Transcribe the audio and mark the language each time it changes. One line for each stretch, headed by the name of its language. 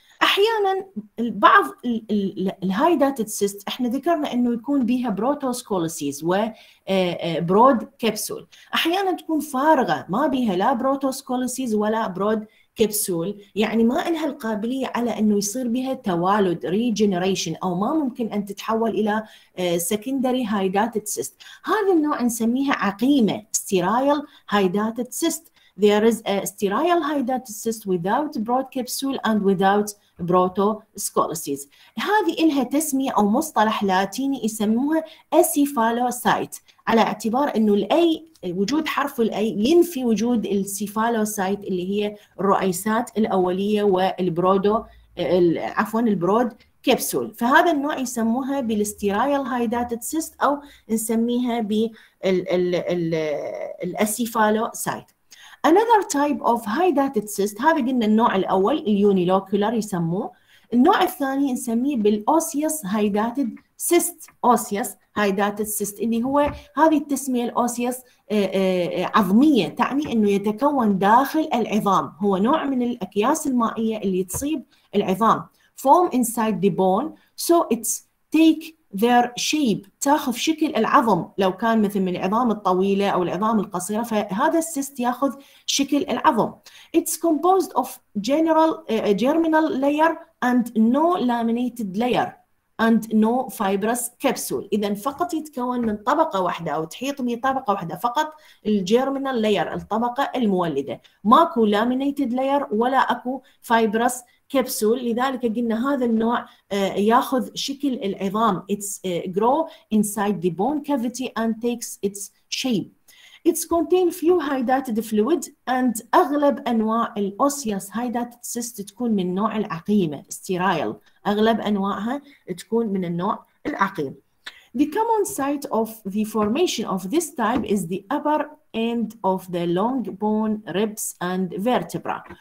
Arabic: احيانا بعض الهاي داتد سيست احنا ذكرنا انه يكون بيها بروتوسكولوسيز و برود كبسول, احيانا تكون فارغه ما بيها لا بروتوسكولوسيز ولا برود كبسول, يعني ما لها القابلية على أنه يصير بها توالد ريجنريشن أو ما ممكن أن تتحول إلى سكندري هايداتد سيست. هذا النوع نسميها عقيمة, سترايل هايداتد سيست.
English: There is a sterile hydatid cyst without broad capsule and without protoscolices.
Arabic: هذه إلها تسمية أو مصطلح لاتيني يسموها أسيفالوسايت, على اعتبار أنه الأي, وجود حرف الأي ينفي وجود السيفالوسايت اللي هي الرؤيسات الأولية والبرودو, عفوا البرود كبسول. فهذا النوع يسموها بالستيرايل هايداتد سيست أو نسميها بالأسيفالوسايت.
English: Another type of hydatid cyst,
Arabic: هذا قلنا النوع الأول اليونيلوكولار يسموه. النوع الثاني نسميه بالأوسيوس هايداتد سيست, أوسيوس هايداتد سيست اللي هو هذه التسمية الأوسيوس عظمية, تعني أنه يتكون داخل العظام, هو نوع من الأكياس المائية اللي تصيب العظام.
English: Form inside the bone, so it's take their shape,
Arabic: تاخذ شكل العظم لو كان مثل من العظام الطويلة أو العظام القصيرة, فهذا السيست ياخذ شكل العظم.
English: It's composed of general germinal layer and no laminated layer and no fibrous capsule.
Arabic: إذا فقط يتكون من طبقة واحدة أو تحيط بطبقة واحدة فقط, الجيرمينال لاير, الطبقة المولدة, ماكو لامينيتد لاير ولا اكو فايبرس كبسول. لذلك قلنا هذا النوع ياخذ شكل العظام,
English: it's grow inside the bone cavity and takes its shape. It's contain few hydated fluid and
Arabic: أغلب أنواع الأوسياس hydated cyst تكون من نوع العقيمة sterile, أغلب أنواعها تكون من النوع العقيم.
English: The common site of the formation of this type is the upper end of the long bone, ribs and vertebra.